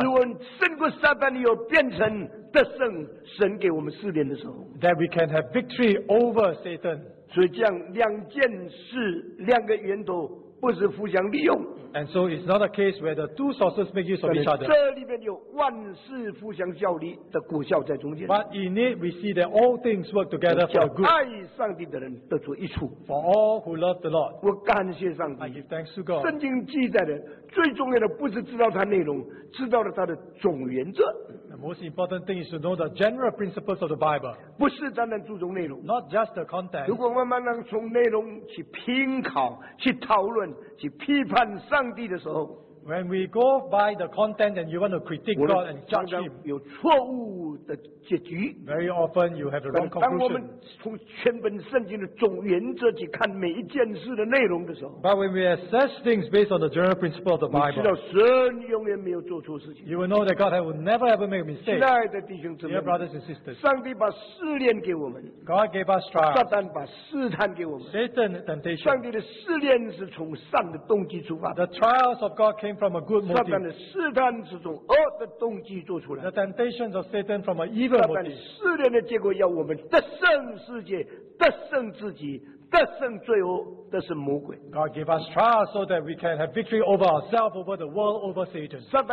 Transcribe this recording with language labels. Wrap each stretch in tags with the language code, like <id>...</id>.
<zh>使我们胜过撒旦又变成</zh> <en>that we can have victory over Satan.</en> <zh>所以这样两件事, 两个源头不是互相利用,</zh> <en>and so it's not a case where the two sources make use of each other.</en> <zh>这里面有万事互相效力的果效在中间,</zh> <en>but in it we see that all things work together for good.</en> <zh>叫爱上帝的人得出益处,</zh> <en>for all who love the Lord.</en> <zh>我感谢上帝,</zh> <en>I give thanks to God.</en> <zh>圣经记载的, 最重要的不是知道它内容, 知道了它的总原则。</zh> <en>The most important thing is to know the general principles of the Bible.</en> <zh>不是单单注重内容,</zh> <en>not just the content.</en> <zh>如果慢慢从内容去拼考, 去讨论, 去批判上帝的时候,</zh> <en>when we go by the content and you want to critique God and judge him,</en> <zh>有错误的结局,</zh> <en>very often you have the wrong conclusion.</en> <zh>当我们从全本圣经的总原则去看每一件事的内容的时候,</zh> <en>but when we assess things based on the general principle of the Bible,</en> <zh>你知道神永远没有做错事情,</zh> <en>you will know that God will never ever make a mistake.</en> <zh>亲爱的弟兄姊妹,</zh> <en>dear brothers and sisters,</en> <zh>上帝把试炼给我们,</zh> <en>God gave us trials,</en> <zh>撒旦把试探给我们,</zh> <en>Satan temptation.</en> <zh>上帝的试炼是从善的动机出发,</zh> <en>the trials of God came from a good motive. The temptations of Satan from an evil motive. God gave us trials so that we can have victory over ourselves, over the world, over Satan.</en>